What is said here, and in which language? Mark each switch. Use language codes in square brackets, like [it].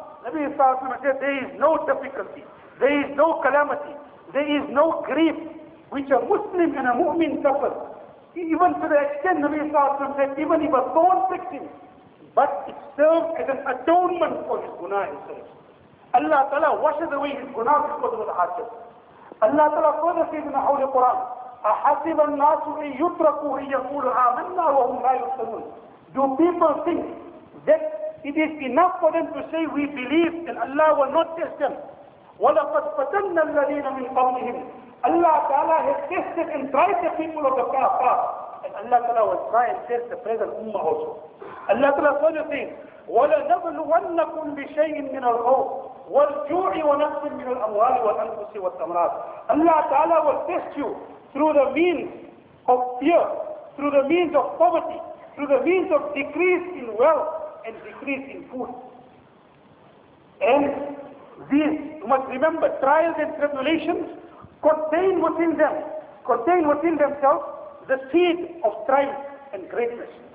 [en] Nabi sallallahu alayhi wa sallam said, there is no difficulty, there is no calamity, there is no grief which a Muslim and a mu'min suffer. Even to the extent Nabi sallallahu alayhi wa sallam said, even if a thorn pricks him, but it serves as an atonement for his guna himself. Allah Ta'ala washes away his guna because of the hajj. Allah Ta'ala further says in the Holy Quran, [ar] أَحَسِبَ النَّاسُ إِنْ يُتْرَكُوا إِنْ يَقُولُ آمَنَّا وَهُمْ لَا يُسْأَلُونَ. [en] Do people think that it is enough for them to say we believe and Allah will not test them? [ar] وَلَقَدْ فَتَنَّ الَّذِينَ مِنْ قَوْلِهِمْ. [en] Allah Ta'ala has tested and tried the people of the past. And Allah Ta'ala will try and test the present ummah also. Allah Ta'ala further says, [ar] وَلَنَبْلُوَنَّكُمْ بِشَيْءٍ مِّنَ الْخَوْفِ وَالْجُوعِ وَنَقْصٍ مِّنَ الْأَمْوَالِ وَالْأَنْفُسِ وَالثَّمَرَاتِ. [en] Allah Ta'ala will test you through the means of fear, through the means of poverty, through the means of decrease in wealth and decrease in food. And these, you must remember, trials and tribulations contain within themselves the seed of triumph and greatness.